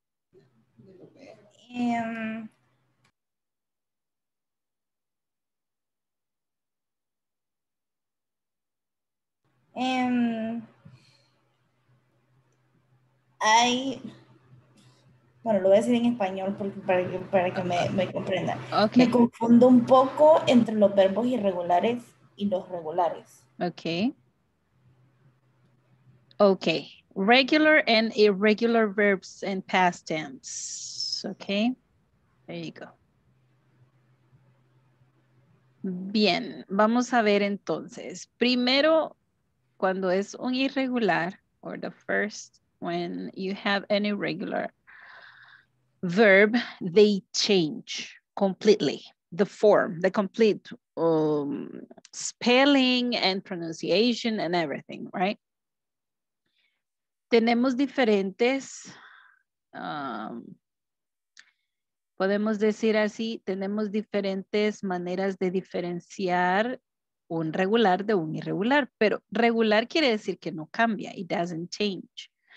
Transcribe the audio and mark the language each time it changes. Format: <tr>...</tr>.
<es>Bueno, lo voy a decir en español porque para que me comprenda.</es> <en>Okay.</en> <es>Me confundo un poco entre los verbos irregulares y los regulares.</es> <en>Okay. Okay, regular and irregular verbs in past tense. Okay, there you go.</en> <es>Bien, vamos a ver entonces. Primero, cuando es un irregular,</es> <en>or the first, when you have an irregular verb, they change completely. The form, the complete spelling and pronunciation and everything, right?</en> <es>Tenemos diferentes, podemos decir así, tenemos diferentes maneras de diferenciar un regular de un irregular, pero regular quiere decir que no cambia,</es> <en>it doesn't change.</en>